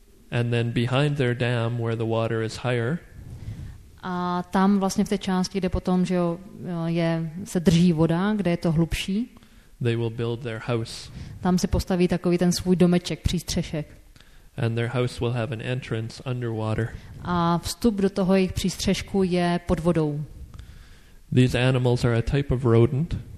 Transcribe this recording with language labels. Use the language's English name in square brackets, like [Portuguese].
[English] And then behind their dam where the water is higher. [Czech] A tam vlastně v té části, kde potom, že jo, je se drží voda, kde je to hlubší. [English] They will build their house. [Czech] Tam si postaví takový ten svůj domeček, přístřešek. [English] And their house will have an entrance underwater. [Czech] A vstup do toho jejich přístřešku je pod vodou. [English] These animals are a type of rodent.